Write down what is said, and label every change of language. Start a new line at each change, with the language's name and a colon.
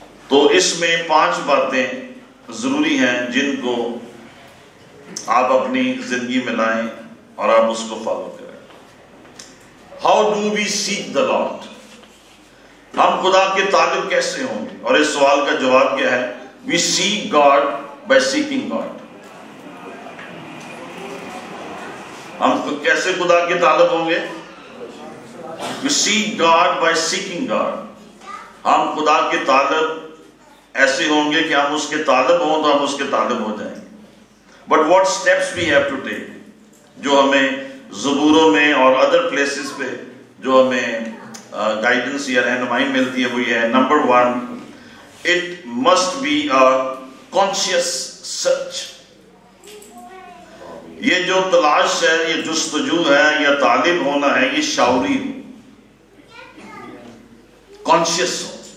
Hindi: तो इसमें पांच बातें जरूरी हैं जिनको आप अपनी जिंदगी में लाएं और आप उसको फॉलो करें।
English: How do we seek the Lord?
Hindi: हम खुदा के तालिब कैसे होंगे? और इस सवाल का जवाब क्या है?
English: We seek God by seeking God.
Hindi: हम कैसे खुदा के तालिब होंगे?
English: We seek God by seeking God.
Hindi: हम खुदा के तालिब ऐसे होंगे कि हम उसके तालिब हों तो हम उसके तालिब हो जाएंगे।
English: But what steps we have to take?
Hindi: जो हमें जबूरों में और
English: other places
Hindi: पे जो हमें गाइडेंस या रहनुमाई मिलती है वो ये है।
English: Number one, it must be a conscious search.
Hindi: ये जो तलाश है, ये जुस्तजू है या तालिब होना है, ये शौरी हो, कॉन्शियस हो।